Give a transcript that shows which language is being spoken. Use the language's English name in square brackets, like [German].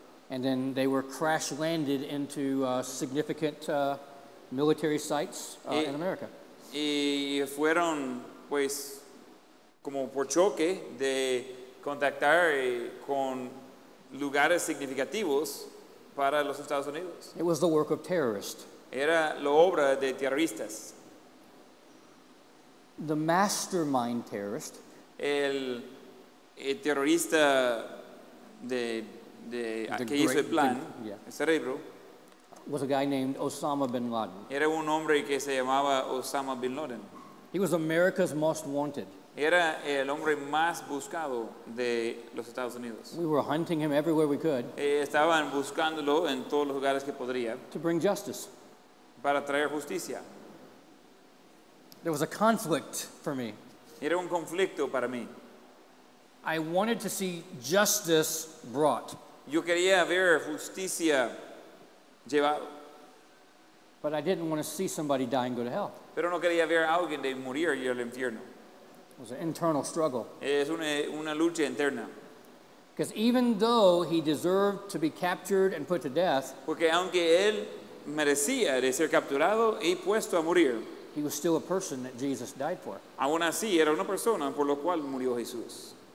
[English] And then they were crash landed into significant military sites in America. [Spanish] Y fueron pues como por choque de contactar con lugares significativos para los Estados Unidos. [English] It was the work of terrorists. [Spanish] Era la obra de terroristas. [English] The mastermind terrorist. [Spanish] El terrorista de que hizo el plan, el cerebro. [English] Was a guy named Osama bin Laden. [Spanish] Era un hombre que se llamaba Osama bin Laden. [English] He was America's most wanted. [Spanish] Era el hombre más buscado de los Estados Unidos. [English] We were hunting him everywhere we could. [Spanish] Estaban buscándolo en todos los lugares que podría. [English] To bring justice. [Spanish] Para traer justicia. [English] There was a conflict for me. [Spanish] Era un conflicto para mí. [English] I wanted to see justice brought. [Spanish] Yo quería ver justicia llevado. [English] But I didn't want to see somebody die and go to hell. [Spanish] Pero no quería ver a alguien de morir y ir al infierno. [English] It was an internal struggle. [Spanish] Es una lucha interna. [English] Because even though he deserved to be captured and put to death, [Spanish] porque aunque él merecía de ser capturado y puesto a morir, [English] he was still a person that Jesus died for. [Spanish] Aún así, era una persona por lo cual murió Jesús.